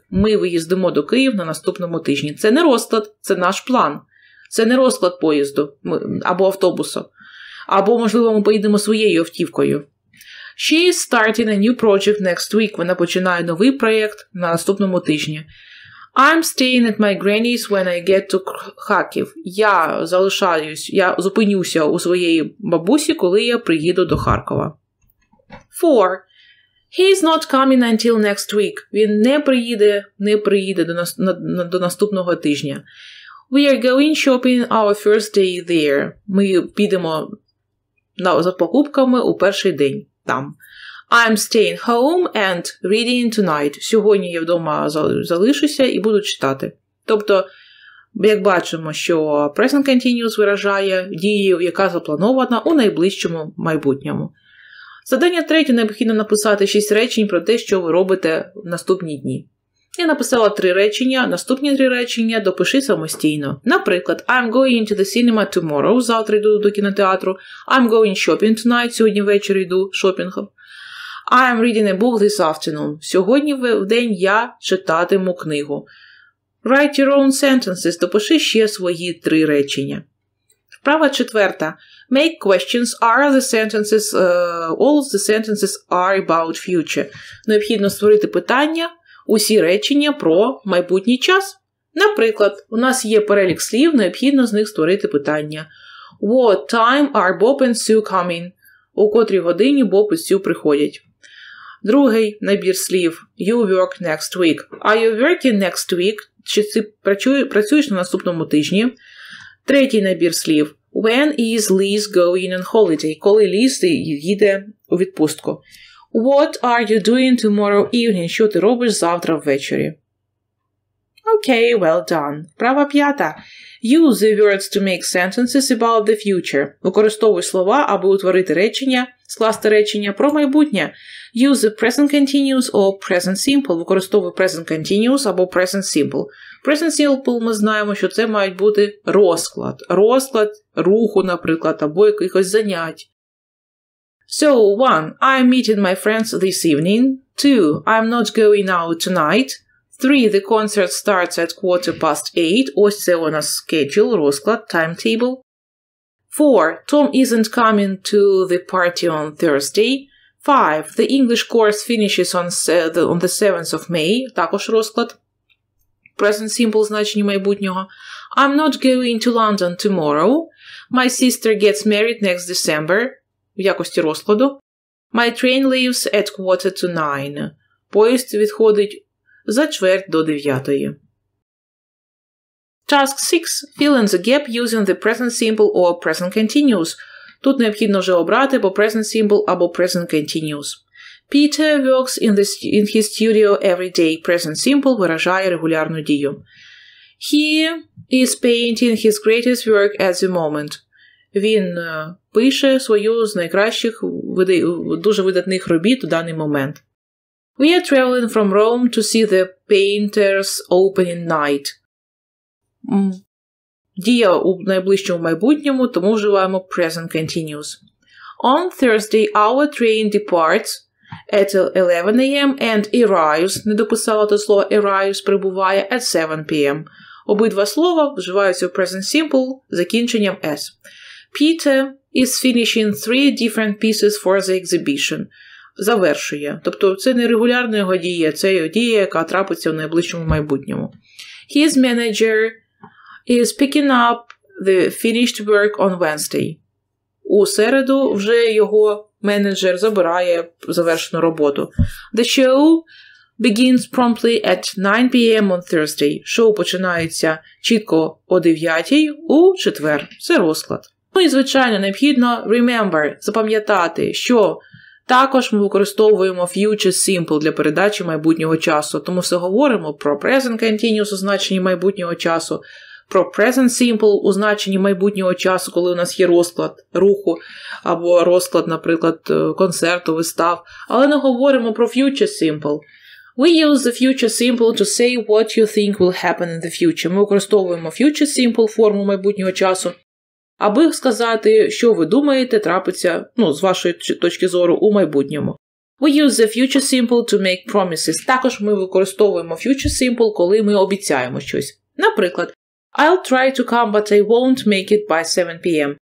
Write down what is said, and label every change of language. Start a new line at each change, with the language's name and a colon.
Ukrainian: Ми виїздимо до Києва на наступному тижні. Це не розклад, це наш план. Це не розклад поїзду або автобусу. Або, можливо, ми поїдемо своєю автівкою.
English: She is starting a new project next week.
Ukrainian: Вона починає новий проєкт на наступному тижні.
English: I'm staying at my granny's when I get to Kharkiv.
Ukrainian: Я залишаюсь, я зупинюся у своєї бабусі, коли я приїду до Харкова.
English: 4. He is not coming until next week.
Ukrainian: Він не приїде до наступного тижня.
English: We are going shopping our first day there.
Ukrainian: Ми підемо за покупками у перший день там.
English: I'm staying home and reading tonight.
Ukrainian: Сьогодні я вдома залишуся і буду читати. Тобто, як бачимо, що present continuous виражає дію, яка запланована у найближчому майбутньому. Завдання третє, необхідно написати 6 речень про те, що ви робите в наступні дні. Я написала три речення, наступні три речення допиши самостійно. Наприклад,
English: I'm going to the cinema tomorrow,
Ukrainian: завтра йду до кінотеатру.
English: I'm going shopping tonight,
Ukrainian: сьогодні ввечері йду шопінгом.
English: I'm reading a book this afternoon,
Ukrainian: сьогодні в день я читатиму книгу.
English: Write your own sentences,
Ukrainian: допиши ще свої три речення. Вправа четверта.
English: Make questions are the sentences, all the sentences are about future.
Ukrainian: Необхідно створити питання, усі речення про майбутній час. Наприклад, у нас є перелік слів, необхідно з них створити питання.
English: What time are Bob and Sue coming?
Ukrainian: У котрій годині Bob і Sue приходять. Другий набір слів.
English: You work next week. Are you working next week?
Ukrainian: Чи ти працюєш на наступному тижні? Третій набір слів.
English: When is Liz going on holiday?
Ukrainian: Коли Ліз їде у відпустку?
English: What are you doing tomorrow evening?
Ukrainian: Що ти робиш завтра ввечері?
English: Okay, well done.
Ukrainian: Вправа п'ята.
English: Use the words to make sentences about the future.
Ukrainian: Використовуй слова, аби утворити речення, скласти речення про майбутнє.
English: Use the present continuous or present simple.
Ukrainian: Використовуй present continuous або present simple. Present simple ми знаємо, що це мають бути розклад. Розклад руху, наприклад, або якихось занять.
English: So, 1. I'm meeting my friends this evening. 2. I'm not going out tonight. 3. The concert starts at 8:15.
Ukrainian: Ось це у нас schedule, розклад, timetable. 4.
English: Tom isn't coming to the party on Thursday. 5. The English course finishes on the 7th of May.
Ukrainian: Також розклад. Present simple, значення майбутнього.
English: I'm not going to London tomorrow. My sister gets married next December.
Ukrainian: В якості розкладу.
English: My train leaves at 8:45.
Ukrainian: Поїзд відходить за чверть до 9:00.
English: Task 6. Fill in the gap using the present simple or present continuous.
Ukrainian: Тут необхідно вже обрати по present simple або present continuous.
English: Peter works in his studio every day.
Ukrainian: Present simple виражає регулярну дію.
English: He is painting his greatest work at the moment.
Ukrainian: Він пише свою з найкращих, дуже видатних робіт у даний момент.
English: We are traveling from Rome to see the painter's opening night.
Ukrainian: Дія у найближчому майбутньому, тому вживаємо present continuous.
English: On Thursday our train departs at 11 a.m. and arrives,
Ukrainian: не дописала то слово arrives, прибуває
English: at 7 p.m.
Ukrainian: Обидва слова вживаються в present simple закінченням s. Peter is finishing three different pieces for the exhibition. Завершує. Тобто це не регулярна його дія, це його дія, яка трапиться в найближчому майбутньому. His manager is picking up the finished work on Wednesday. У середу вже його менеджер забирає завершену роботу. The show begins promptly at 9 p.m. on Thursday. Шоу починається чітко о 9:00 у четвер. Це розклад. Ну і, звичайно, необхідно remember, запам'ятати, що також ми використовуємо future simple для передачі майбутнього часу. Тому все говоримо про present continuous у значенні майбутнього часу, про present simple у значенні майбутнього часу, коли у нас є розклад руху або розклад, наприклад, концерту, вистав. Але не говоримо про future simple.
English: We use the future simple to say what you think will happen in the future.
Ukrainian: Ми використовуємо future simple, форму майбутнього часу, аби сказати, що ви думаєте, трапиться, ну, з вашої точки зору, у майбутньому.
English: We use the future simple to make promises.
Ukrainian: Також ми використовуємо future simple, коли ми обіцяємо щось. Наприклад,
English: I'll try to come, but I won't make it by 7 p.m.